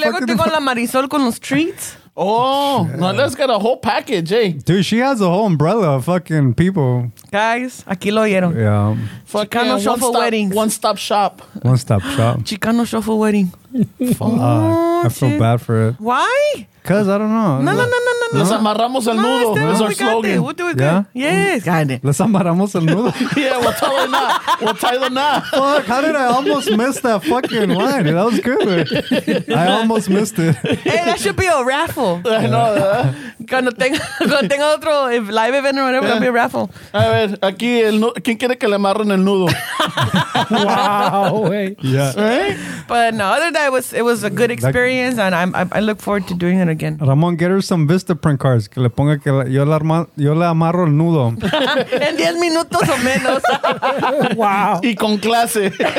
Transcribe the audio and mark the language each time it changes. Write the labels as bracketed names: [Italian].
[Spanish] Hey, luego tengo la Marisol con los treats. [English] Oh, no, let's get a whole package, eh? Dude, she has a whole umbrella of fucking people. [Spanish] Guys, aquí lo oyeron. [English] Yeah. Chicano Shuffle Wedding. One-stop shop. One-stop shop. Chicano Shuffle Wedding. Fuck. I feel bad for it. Why? Because, I don't know. No. [Spanish] Les amarramos el nudo. [English] That's our slogan. We'll do it good. Yeah? Yes. Got it. [Spanish] Les amarramos el nudo. [English] Yeah, we'll tie the knot. Fuck, how did I almost miss that fucking line? That was good. I almost missed it. Hey, that should be a raffle. I know. [Spanish] Cuando tenga otro [English] live event or whatever, it'll be a raffle. [Spanish] A ver, aquí, ¿quién quiere que le amarren el nudo? [English] Wow. Yeah. But no, other than that, it was a good experience, and I look forward to doing it again. [Spanish] Ramon, [English] get her some Vistaprint cards. [Spanish] Que le ponga que yo le amarro el nudo. En 10 minutos o menos. [English] Wow. [Spanish] Y con clase.